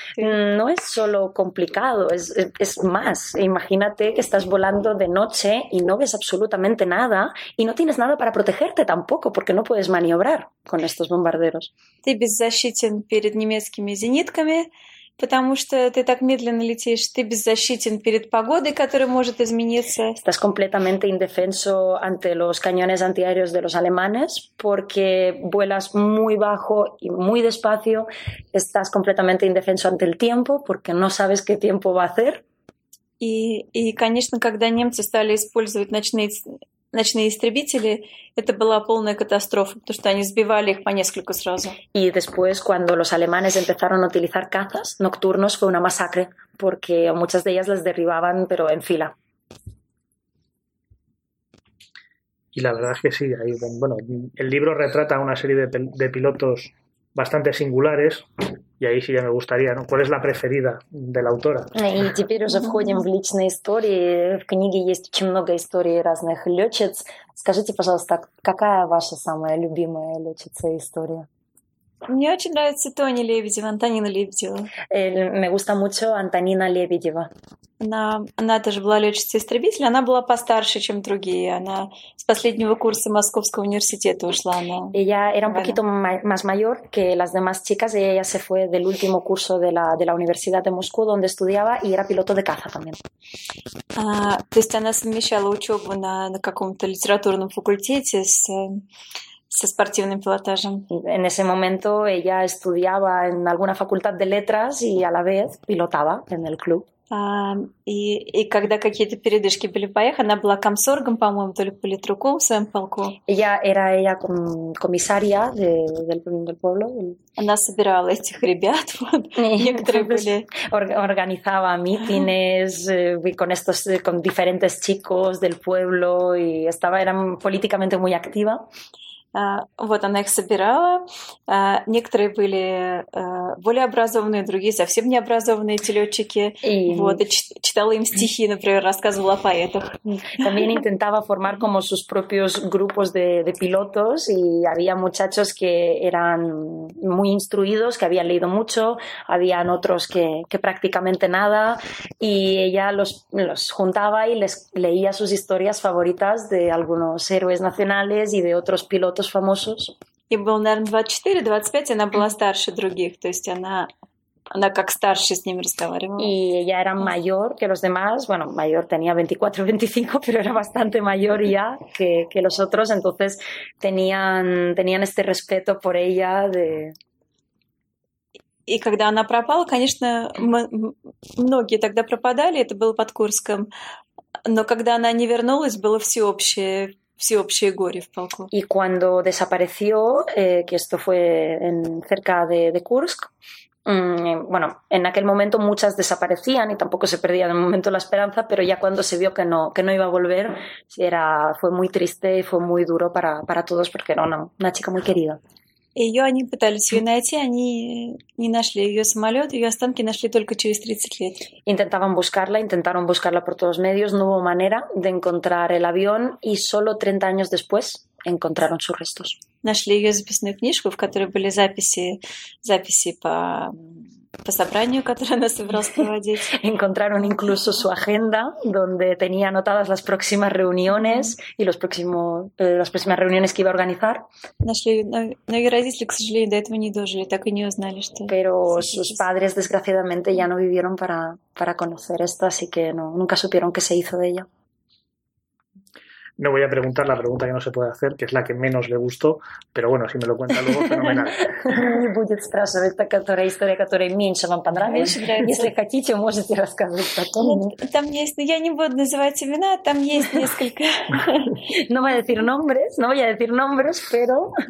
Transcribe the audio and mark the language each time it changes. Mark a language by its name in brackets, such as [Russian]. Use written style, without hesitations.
[Spanish] No es solo complicado, es más. Imagínate que estás volando de noche y no ves absolutamente nada y no tienes nada para protegerte tampoco, porque no puedes maniobrar con estos bombarderos. [Russian] Ты беззащитен перед немецкими зенитками, потому что ты так медленно летишь, ты беззащитен перед погодой, которая может измениться. [Spanish] Estás completamente indefenso ante los cañones antiaéreos de los alemanes, porque vuelas muy bajo y muy despacio. Estás completamente indefenso ante el tiempo, porque no sabes qué tiempo va a hacer. [Russian] И конечно, когда немцы стали использовать ночные истребители, это была полная катастрофа, потому что они сбивали их по нескольку сразу. [Spanish] И después, cuando los alemanes empezaron a utilizar cazas nocturnos, fue una masacre, porque muchas de ellas las derribaban, pero en fila. Y la verdad es que sí, ahí, bueno, el libro retrata una serie de pilotos bastante singulares, y ahí sí ya me gustaría, ¿no? ¿Cuál es la preferida de la autora? [Russian] И теперь уже входим в личные истории. В книге есть очень много историй разных летчиц. Скажите, пожалуйста, какая ваша самая любимая летчица история? Мне очень нравится Тони Лебедева, Антонина Лебедева. [Spanish] Me gusta mucho Антонина Лебедева. [Russian] Она тоже была летчица истребителя, она была постарше, чем другие. Она с последнего курса Московского университета ушла. [Spanish] Ella era un poquito más mayor que las demás chicas, y ella se fue del último curso de la Universidad de Moscú, donde estudiaba, y era piloto de caza también. [Russian] То есть она совмещала учебу на каком-то литературном факультете со спортивным пилотажем. [Spanish] En ese momento ella estudiaba en alguna facultad de letras y a la vez pilotaba en el club. [Russian] И когда какие-то передышки были в боях, она была комсоргом, по-моему, то ли политруком в своем полку. [Spanish] Ella era комиссария del pueblo. [Russian] Она собирала этих ребят, вот, некоторые были. [Spanish] Organizaba mítines con diferentes chicos del pueblo, y era políticamente muy activa. [Russian] Вот она их собирала. Некоторые были более образованные, другие совсем необразованные эти лётчики. Вот, и читала им стихи, например, рассказывала о поэтах. [Spanish] También intentaba formar como sus propios grupos de pilotos y había muchachos que eran muy instruidos, que habían leído mucho, habían otros que prácticamente nada, y ella los juntaba y les leía sus historias favoritas de algunos héroes nacionales y de otros pilotos famosos. [Russian] Ей было, наверное, 24-25, она была старше других, то есть она как старше с ними разговаривала. [Spanish] И ella era mayor que los demás, bueno, mayor tenía 24-25, pero era bastante mayor ya que los otros, entonces tenían este respeto por ella de... [Russian] И когда она пропала, конечно, многие тогда пропадали, это было под Курском, но когда она не вернулась, было всеобщее... Всеобщее горе в полку. [Spanish] Y cuando desapareció, que esto fue cerca de Kursk, bueno, en aquel momento muchas desaparecían y tampoco se perdía de momento la esperanza, pero ya cuando se vio que no iba a volver, fue muy triste y fue muy duro para todos porque era una chica muy querida. [Russian] Ее они пытались ее найти, они не нашли ее самолет, ее останки нашли только через 30 лет. [Spanish] Intentaron buscarla por todos medios, no hubo manera de encontrar el avión y solo 30 años después encontraron sus restos. [Russian] Нашли ее записную книжку, в которой были записи по собранию, которое она собиралась проводить. [Spanish] Encontraron incluso su agenda, donde tenía anotadas las próximas reuniones y las próximas reuniones que iba a organizar. [Russian] Нашли ее, но ее родители, к сожалению, до этого не дожили, так и не узнали, что... [Spanish] Pero sus padres, desgraciadamente, ya no vivieron para conocer esto, así que no, nunca supieron qué se hizo de ella. No voy a preguntar la pregunta que no se puede hacer, que es la que menos le gustó, pero bueno, si me lo cuenta luego, fenomenal. [Russian] Не будет спрашивать, это которая история, которая меньше вам понравилась. Если хотите, можете рассказывать потом. Там есть, я не буду называть имена, там есть несколько. [Spanish] No voy a decir nombres, no voy a decir nombres, pero...